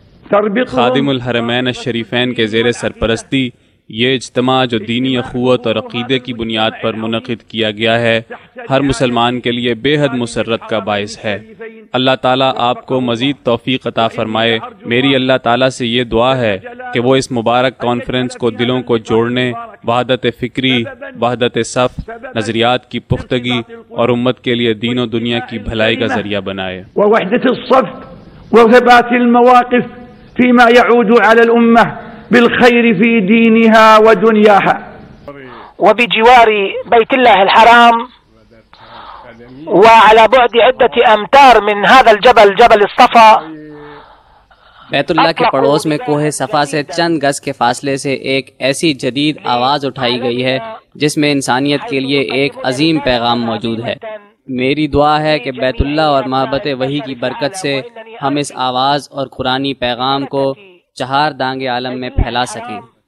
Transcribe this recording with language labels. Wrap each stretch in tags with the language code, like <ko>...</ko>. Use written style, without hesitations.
<ur>تربط خادم الحرمین الشریفین کے زیر سرپرستی، یہ اجتماع جو دینی اخوت اور عقیدے کی بنیاد پر منعقد کیا گیا ہے، ہر مسلمان کے لیے بے حد مسرت کا باعث ہے۔ اللہ تعالیٰ آپ کو مزید توفیق عطا فرمائے۔ میری اللہ تعالیٰ سے یہ دعا ہے کہ وہ اس مبارک کانفرنس کو دلوں کو جوڑنے وحدت فکری، وحدت صف، نظریات کی پختگی اور امت کے لیے دین و دنیا کی بھلائی کا ذریعہ بنائے۔</ur> <ar>وحدت الصف وثبات المواقف فيما يعود على الأمة بالخير في دينها ودنياها وبجوار بيت الله الحرام وعلى بعد عدة أمتار من هذا الجبل جبل الصفا۔</ar> <ur>بیت اللہ کے پڑوس میں کوہ صفا سے چند گز کے فاصلے سے ایک ایسی جدید آواز اٹھائی گئی ہے جس میں انسانیت کے لیے ایک عظیم پیغام موجود ہے۔ میری دعا ہے کہ بیت اللہ اور محبت وحی کی برکت سے ہم اس آواز اور قرآنی پیغام کو چہار دانگے عالم میں پھیلا سکیں۔</ur>